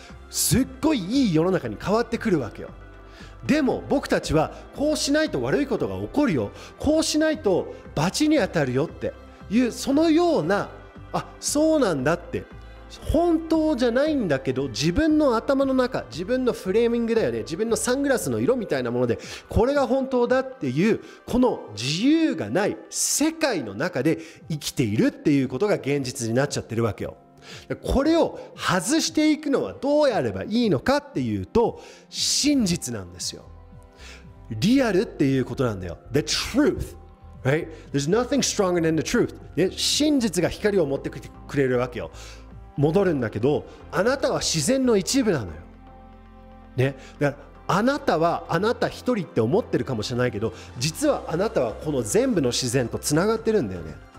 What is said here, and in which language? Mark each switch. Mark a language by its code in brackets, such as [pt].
[ja] すっごいいい世の中に変わってくるわけよ。でも僕たちはこうしないと悪いことが起こるよ、こうしないと罰に当たるよっていう、そのような、あ、そうなんだって本当じゃないんだけど、自分の頭の中、自分のフレーミングだよね、自分のサングラスの色みたいなもので、これが本当だっていう、この自由がない世界の中で生きているっていうことが現実になっちゃってるわけよ。これを外していくのはどうやればいいのかっていうと、真実なんですよ。リアルっていうことなんだよ。 [en] The truthRight? There's nothing stronger than the truth. [ja] で、真実が光を持ってくれるわけよ。戻るんだけど、あなたは自然の一部なのよ。ね、だからあなたはあなた一人って思ってるかもしれないけど、実はあなたはこの全部の自然とつながってるんだよね。